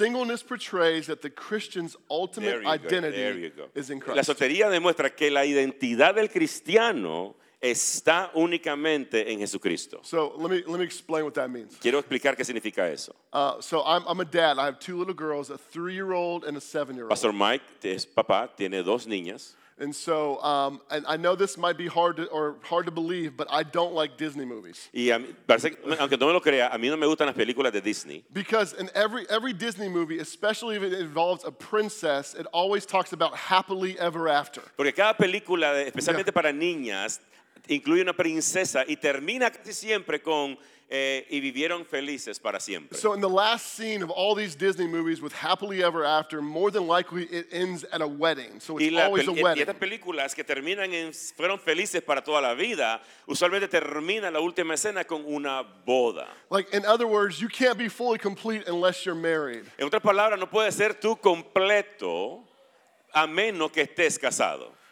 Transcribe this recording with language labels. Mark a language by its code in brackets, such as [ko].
[en] Singleness portrays that the Christian's ultimate identity is in Christ. [es] La soltería demuestra que la identidad del cristiano está únicamente en Jesucristo. [en] So let me explain what that means. [es] Quiero explicar qué significa eso. [en] So I'm a dad. I have two little girls, a 3-year-old and a 7-year-old. [es] Pastor Mike es papá, tiene dos niñas. [en] And so and I know this might be hard to believe, but I don't like Disney movies. [es] Y aunque no me lo crea, a mí no me gustan las películas de Disney. [en] Because in every Disney movie, especially if it involves a princess, it always talks about happily ever after. [es] Porque cada película, especialmente para niñas, incluye una princesa y termina casi siempre con y vivieron felices para siempre. [en] So in the last scene of all these Disney movies with happily ever after, more than likely it ends at a wedding. So it's always a wedding. [es] Y estas películas que terminan en fueron felices para toda la vida, usualmente termina la última escena con una boda. [en] Like in other words, you can't be fully complete unless you're married. [es] En otras palabras, no puedes ser tú completo a menos que estés casado.